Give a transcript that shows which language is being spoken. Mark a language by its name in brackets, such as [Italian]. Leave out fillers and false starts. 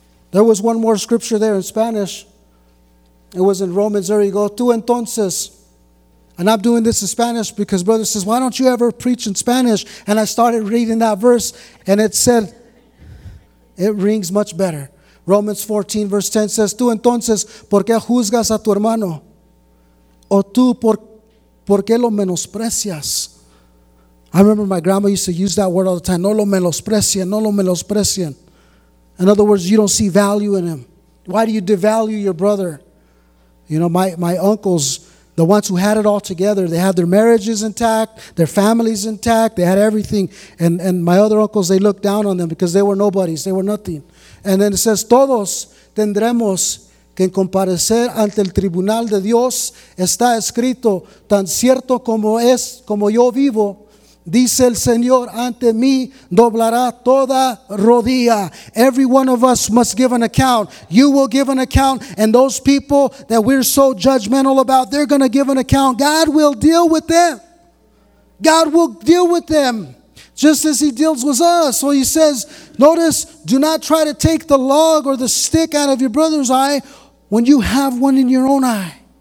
[English] There was one more scripture there in Spanish. It was in Romans. There you go. [Spanish] Tú entonces. [English] And I'm doing this in Spanish because brother says, why don't you ever preach in Spanish? And I started reading that verse, and it said, it rings much better. Romans 14, verse 10 says, [Spanish] tú entonces, ¿por qué juzgas a tu hermano? O tú, ¿por qué lo menosprecias? [English] I remember my grandma used to use that word all the time. [Spanish] No lo menosprecien, no lo menosprecien. [English] In other words, you don't see value in him. Why do you devalue your brother? You know, my uncles, the ones who had it all together, they had their marriages intact, their families intact, they had everything. And my other uncles, they looked down on them because they were nobodies, they were nothing. And then it says, [Spanish] todos tendremos que comparecer ante el tribunal de Dios. Está escrito, tan cierto como es, como yo vivo, dice el Señor, ante mí doblará toda rodilla. [English] Every one of us must give an account. You will give an account. And those people that we're so judgmental about, they're going to give an account. God will deal with them. God will deal with them just as he deals with us. So he says, notice, do not try to take the log or the stick out of your brother's eye when you have one in your own eye.